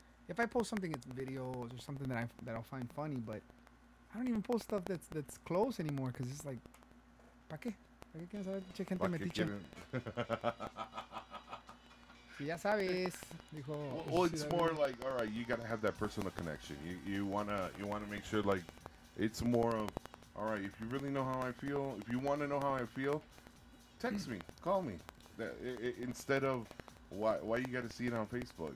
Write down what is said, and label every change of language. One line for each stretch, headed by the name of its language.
English: If I post something, it's videos or something that I'll find funny, but I don't even post stuff that's close anymore because it's like.
Spanish: ¿Para qué? ¿Para qué quieres saber qué gente me dice? Si ya sabes, dijo,
English: well, it's more like, all right, you gotta have that personal connection. You wanna make sure, like, it's more of, all right, if you really know how I feel, if you wanna know how I feel, text me, call me. Instead of why you gotta see it on Facebook.